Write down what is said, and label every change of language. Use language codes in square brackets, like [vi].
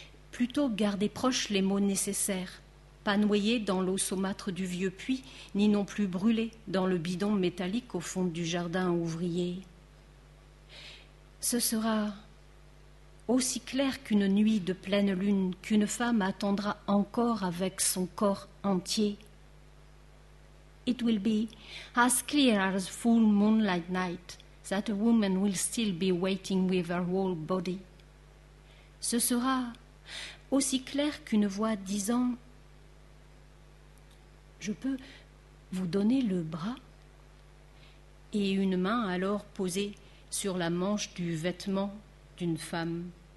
[fr] Plutôt garder proches les mots nécessaires, pas noyés dans l'eau saumâtre du vieux puits, ni non plus brûlés dans le bidon métallique au fond du jardin ouvrier. Ce sera aussi clair qu'une nuit de pleine lune, qu'une femme attendra encore avec son corps entier. [en] It will be as clear as full moonlight night that a woman will still be waiting with her whole body. [fr] Ce sera aussi clair qu'une voix disant « Je peux vous donner le bras ?» et une main alors posée sur la manche du vêtement d'une femme.